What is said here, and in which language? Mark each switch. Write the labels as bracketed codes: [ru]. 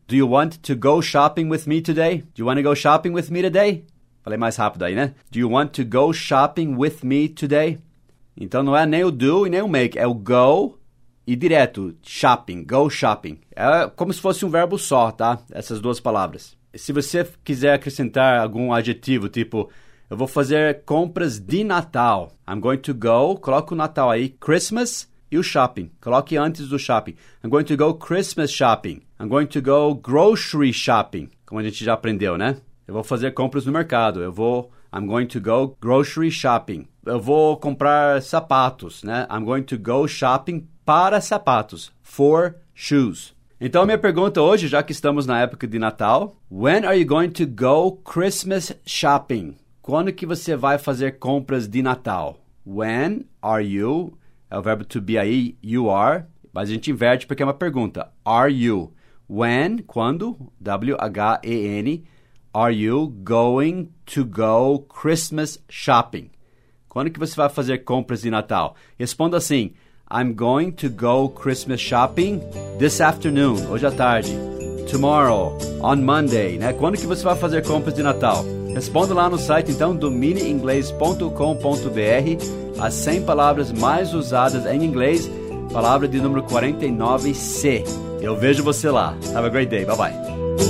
[en] Do you want to go shopping with me today? Do you want to go shopping with me today? [pt] Falei mais rápido aí, né? [en] Do you want to go shopping with me today? [pt] Então, não é nem o do e nem o make. É o go e direto. Shopping. [en] Go shopping. [pt] É como se fosse um verbo só, tá? Essas duas palavras. Se você quiser acrescentar algum adjetivo, tipo... Eu vou fazer compras de Natal. [en] I'm going to go, [pt] coloque o Natal aí, Christmas e o shopping. Coloque antes do shopping. [en] I'm going to go Christmas shopping. I'm going to go grocery shopping, [pt] como a gente já aprendeu, né? Eu vou fazer compras no mercado. [en] I'm going to go grocery shopping. [pt] Eu vou comprar sapatos, né? [en] I'm going to go shopping [pt] para sapatos, [en] for shoes. [pt] Então, minha pergunta hoje, já que estamos na época de Natal, [en] when are you going to go Christmas shopping? [pt] Quando que você vai fazer compras de Natal? [en] When are you? [pt] É o verbo to be aí, you are. Mas a gente inverte porque é uma pergunta. [en] Are you? When, quando, W-H-E-N, are you going to go Christmas shopping? [pt] Quando que você vai fazer compras de Natal? [en] Responda assim, I'm going to go Christmas shopping this afternoon, [pt] hoje à tarde, [en] tomorrow, on Monday, né? [pt] Quando que você vai fazer compras de Natal? Responda lá no site, então, do miniinglês.com.br, as 100 palavras mais usadas em inglês, palavra de número 49C. Eu vejo você lá. [en] Have a great day. Bye-bye.